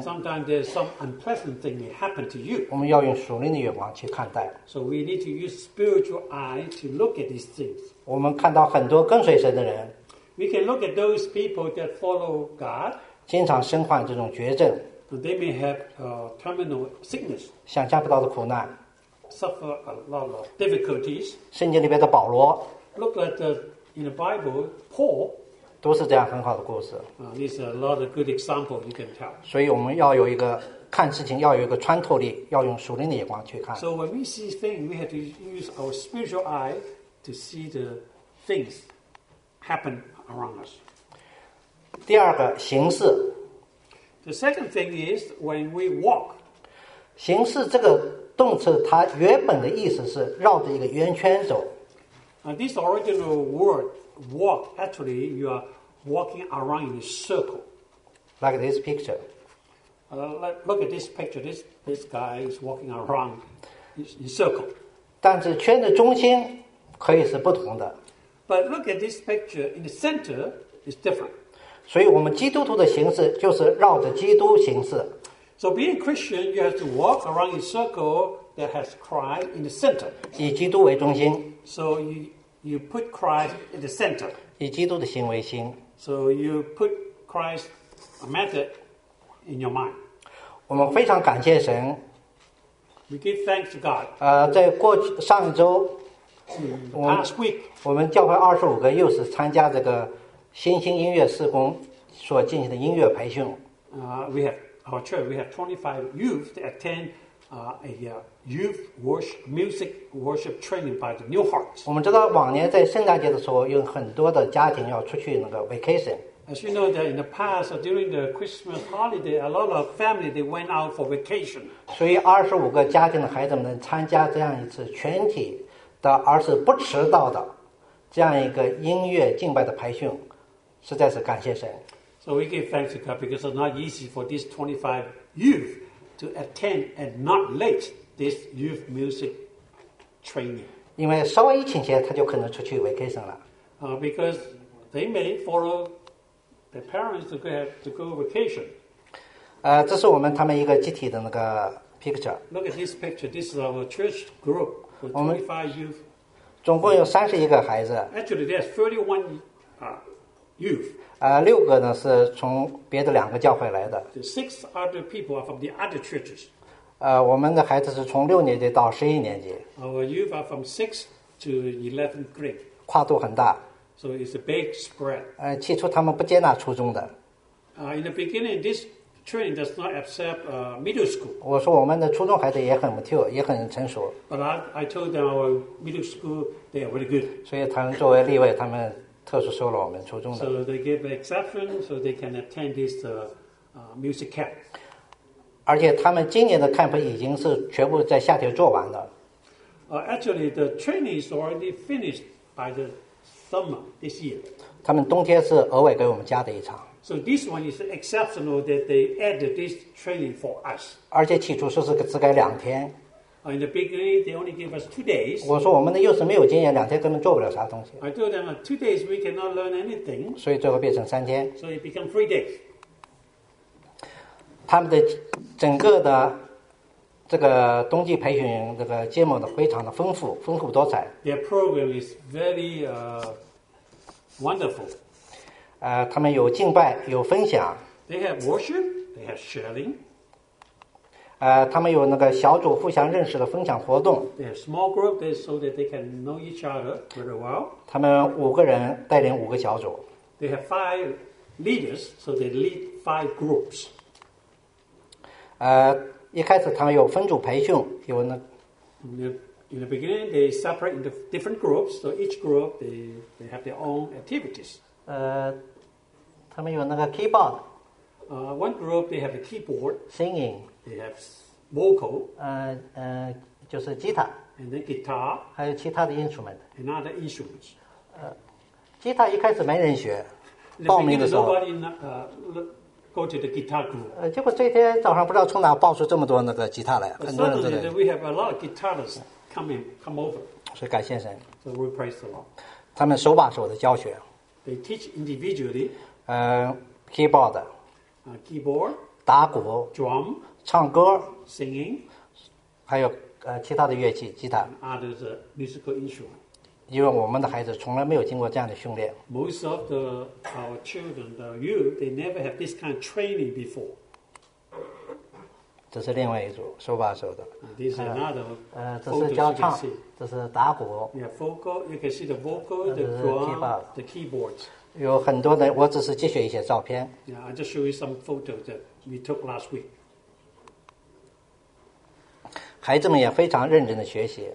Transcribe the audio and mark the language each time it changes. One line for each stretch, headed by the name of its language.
English: Sometimes there's some unpleasant thing that happened to you
Chinese: 我们要用属灵的眼光去看待
English: So we need to use spiritual eye to look at these things
Chinese: 我们看到很多跟随神的人
English: We can look at those people that follow God
Chinese: 经常身患这种绝症
English: They may have terminal sickness
Chinese: 想象不到的苦难
English: Suffer a lot of difficulties.
Chinese: 圣经里边的保罗
English: Look at the, in the Bible, Paul.
Chinese: 都是这样很好的故事
English: These are a lot of good examples you can tell.
Chinese: 所以我们要有一个看事情要有一个穿透力，要用属灵的眼光去看。
English: So when we see things, we have to use our spiritual eye to see the things happen around us.
Chinese: 第二个形式
English: The second thing is when we walk.
Chinese: 形式这个。动词它原本的意思是绕着一个圆圈走。
English: This original word walk actually you are walking around in a circle. Like this picture. Look at this picture. This guy is walking around in a circle.
Chinese: 但是圈的中心可以是不同的。
English: But look at this picture in the center is different.
Chinese: 所以我们基督徒的形式就是绕着基督形式。
English: So being a Christian, you have to walk around a circle that has Christ in the center.
Chinese: 以基督为中心。
English: So you put Christ in the center.
Chinese: 以基督的心为心。
English: So you put Christ's method in your mind.
Chinese: 我们非常感谢神。
English: We give thanks to God.
Chinese: 在过去上周
English: last week,
Chinese: 我们教会25个幼师参加这个新兴音乐事工所进行的音乐培训。
English: We have. Our church, we have 25 youth to attend a youth worship, music worship training by the New Heart.
Chinese: 我们知道往年在圣诞节的时候，有很多的家庭要出去那个 vacation.
English: As you know that in the past, during the Christmas holiday, a lot of family they went out for vacation.
Chinese: 所以25个家庭的孩子们能参加这样一次全体的，而是不迟到的这样一个音乐敬拜的培训，实在是感谢神。
English: So we give thanks to God because it's not easy for these 25 youth to attend and not late this youth music training.
Chinese: 因为稍微一请前，他就可能出去 vacation 了。
English: Because they may follow their parents to go vacation.
Chinese: 这是我们他们一个集体的那个 picture.
English: Look at this picture. This is our church group with 25 youth.
Chinese: 总共有三十一个孩子。
English: Actually, there's 31 youth.
Chinese: 六个呢是从别的两个教会来的。
English: The six other people are from the other churches.
Chinese: 我们的孩子是从六年级到十一年级。
English: Our youth are from 6th to 11th grade.
Chinese: 跨度很大。
English: So it's a big spread.
Chinese: 起初他们不接纳初中的。
English: In the beginning, this training does not accept middle school.
Chinese: 我说我们的初中孩子也很 mature, 也很成熟。
English: But I told them our middle school, they are really good.
Chinese: 所以他们作为例外，他们特殊收了我们初中的。
English: So they give an exception so they can attend this music camp.
Chinese: 而且他们今年的 camp 已经是全部在夏天做完了。
English: Actually, the training is already finished by the summer this year.
Chinese: 他们冬天是额外给我们加的一场。
English: So this one is exceptional that they added this training for us.
Chinese: 而且起初是只给两天。
English: In the beginning, they only gave us 2 days.
Chinese: 我说我们的幼师没有经验，两天根本做不了啥东西。
English: I told them 2 days we cannot learn anything.
Chinese: 所以最后变成三天。
English: So it became 3 days.
Chinese: 他们的整个的这个冬季培训这个节目的非常的丰富，丰富多彩。
English: Their program is very wonderful.
Chinese: 他们有敬拜，有分享。
English: They have worship, they have sharing.
Chinese: 他们有那个小组互相认识的分享活动。
English: They have small group, they so that they can know each other very well.
Chinese: 他们五个人带领五个小组。
English: They have 5 leaders, so they lead 5 groups.
Chinese: 一开始他们有分组培训，有那。
English: In the beginning, they separate into different groups, so each group they have their own activities.
Chinese: 他们有那个 keyboard.
English: One group they have a keyboard. Singing. They have vocal.
Chinese: 就是吉他。
English: And then guitar.
Chinese: 还有其他的 instrument.
English: And other instruments.
Chinese: 吉他一开始没人学。报名的时候。
English: Nobody go to the guitar group.
Chinese: 结果这天早上不知道从哪报出这么多那个吉他来。
English: Suddenly we have a lot of guitarists come over.
Chinese: 所以感谢神。
English: So we praise the Lord.
Chinese: 他们手把手的教学。
English: They teach individually. Keyboard. Keyboard.
Chinese: 打鼓
English: Drum.
Chinese: 唱歌
English: Singing.
Chinese: 还有其他的乐器吉他
English: Others musical instrument.
Chinese: 因为我们的孩子从来没有经过这样的训练
English: Most of our children, the youth, they never have this kind of training before.
Chinese: 这是另外一组手把手的
English: This is another.
Chinese: 这是教唱这是打鼓
English: Yeah, vocal. You can see the vocal, the drum, the keyboards.
Chinese: 有很多的，我只是截取一些照片。
English: Yeah, I just show you some photos that we took last week.
Chinese: 孩子们也非常认真的学习。